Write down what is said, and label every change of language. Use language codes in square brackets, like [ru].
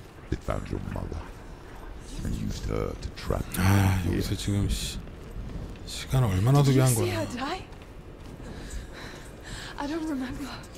[en] It found your mother and used her to trap you. [ko] 아, 여기서 지금 시간 얼마나 소비한 거야? [en] Did you see her die? I don't remember.